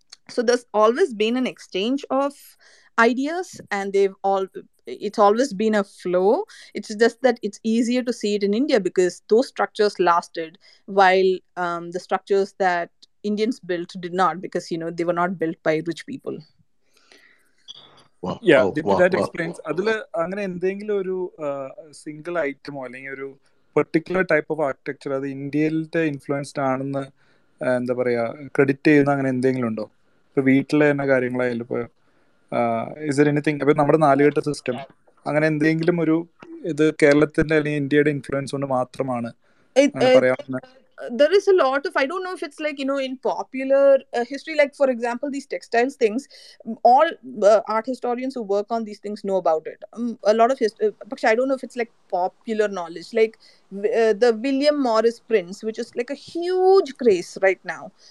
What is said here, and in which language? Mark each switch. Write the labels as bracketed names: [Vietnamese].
[English] So there's always been an exchange of ideas, and it's always been a flow. It's just that it's easier to see it in India because those structures lasted, while the structures that Indians built did not, because, you know, they were not built by rich people. [Malayalam] Experience അതില് അങ്ങനെ എന്തെങ്കിലും ഒരു single ഐറ്റമോ അല്ലെങ്കിൽ ഒരു [English] particular type of architecture [Malayalam] അത് ഇന്ത്യയിലത്തെ influenced ആണെന്ന് എന്താ പറയാ ക്രെഡിറ്റ് ചെയ്യുന്ന അങ്ങനെ എന്തെങ്കിലും ഉണ്ടോ? ഇപ്പൊ വീട്ടിലെ തന്നെ കാര്യങ്ങളായാലും ഇപ്പൊ [English] is there anything, [Malayalam] അപ്പൊ നമ്മുടെ നാലുകെട്ട് സിസ്റ്റം അങ്ങനെ എന്തെങ്കിലും ഒരു ഇത് കേരളത്തിന്റെ അല്ലെങ്കിൽ ഇന്ത്യയുടെ ഇൻഫ്ലുവൻസ് കൊണ്ട് മാത്രമാണ് പറയാവുന്നത്? [English] there is a lot of, I don't know if it's like, you know, in popular history, like for example, these textiles things, all art historians who work on these things know about it. A lot of history, I don't know if it's like popular knowledge, like the William Morris prints, which is like a huge craze right now.